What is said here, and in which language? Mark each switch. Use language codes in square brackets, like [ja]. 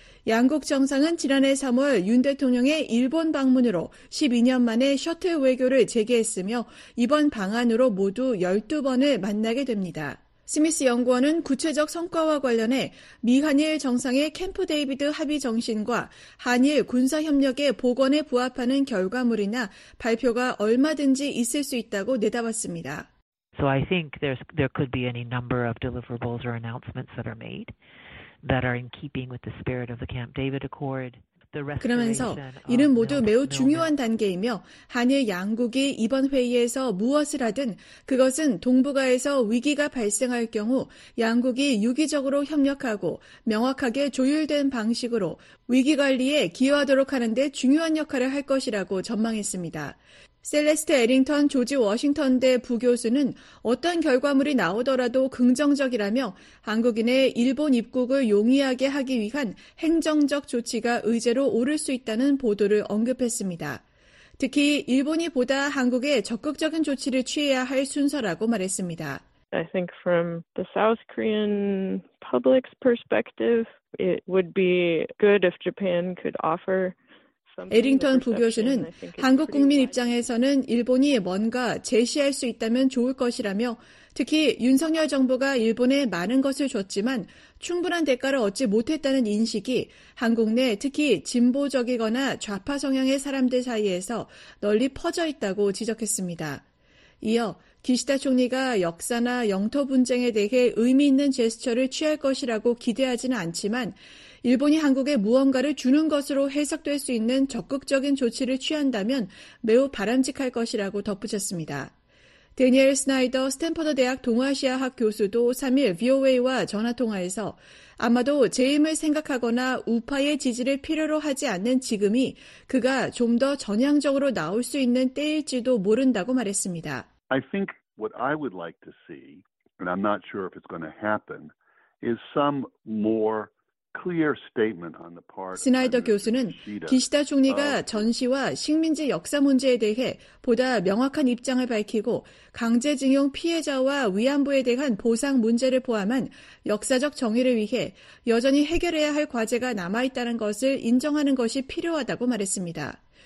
[ko] 양국 정상은 지난해 3월 윤 대통령의 일본 방문으로 12년 만에 셔틀 외교를 재개했으며 이번 방한으로 모두 12번을 만나게 됩니다. 스미스 연구원은 구체적 성과와 관련해 미한일 정상의 캠프 데이비드 합의 정신과 한일 군사협력의 복원에 부합하는 결과물이나 발표가 얼마든지 있을 수 있다고 내다봤습니다. [en] So I think there could be any number of deliverables or announcements that are made that are in keeping with the spirit of the Camp David Accord. [ko] 그러면서 이는 모두 매우 중요한 단계이며 한일 양국이 이번 회의에서 무엇을 하든 그것은 동북아에서 위기가 발생할 경우 양국이 유기적으로 협력하고 명확하게 조율된 방식으로 위기 관리에 기여하도록 하는 데 중요한 역할을 할 것이라고 전망했습니다. 셀레스트 에링턴 조지 워싱턴대 부교수는 어떤 결과물이 나오더라도 긍정적이라며 한국인의 일본 입국을 용이하게 하기 위한 행정적 조치가 의제로 오를 수 있다는 보도를 언급했습니다. 특히 일본이 보다 한국에 적극적인 조치를 취해야 할 순서라고 말했습니다. [en] I think from the South Korean public's perspective, it would be good if Japan could offer [ko] 에링턴 부교수는 한국 국민 입장에서는 일본이 뭔가 제시할 수 있다면 좋을 것이라며 특히 윤석열 정부가 일본에 많은 것을 줬지만 충분한 대가를 얻지 못했다는 인식이 한국 내 특히 진보적이거나 좌파 성향의 사람들 사이에서 널리 퍼져 있다고 지적했습니다. 이어 기시다 총리가 역사나 영토 분쟁에 대해 의미 있는 제스처를 취할 것이라고 기대하지는 않지만 일본이 한국에 무언가를 주는 것으로 해석될 수 있는 적극적인 조치를 취한다면 매우 바람직할 것이라고 덧붙였습니다. 대니엘 스나이더 스탠퍼드 대학 동아시아학 교수도 3일 VOA와 전화통화에서 아마도 재임을 생각하거나 우파의 지지를 필요로 하지 않는 지금이 그가 좀 더 전향적으로 나올 수 있는 때일지도 모른다고 말했습니다. [en] I think what I would like to see, and I'm not sure if it's going to happen, is some more clear statement on the part. [ko] 스나이더 교수는 기시다 총리가 전시와 식민지 역사 문제에 대해 보다 명확한 입장을 밝히고 강제징용 피해자와 위안부에 대한 보상 문제를 포함한 역사적 정의를 위해 여전히 해결해야 할 과제가 남아 있다는 것을 인정하는 것이 필요하다고 말했습니다.